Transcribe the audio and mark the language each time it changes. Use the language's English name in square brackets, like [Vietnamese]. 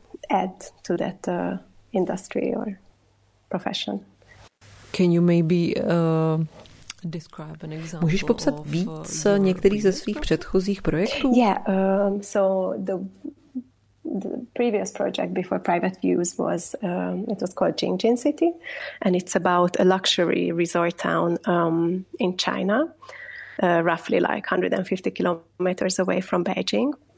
[English] Add to that industry or profession. Can you maybe describe an example? [Czech] Můžeš popsat víc některých ze svých předchozích projektů? [English] Yeah, so the previous project before Private Views was it was called Jingjin City, and it's about a luxury resort town in China, roughly like 150 kilometers away from Beijing.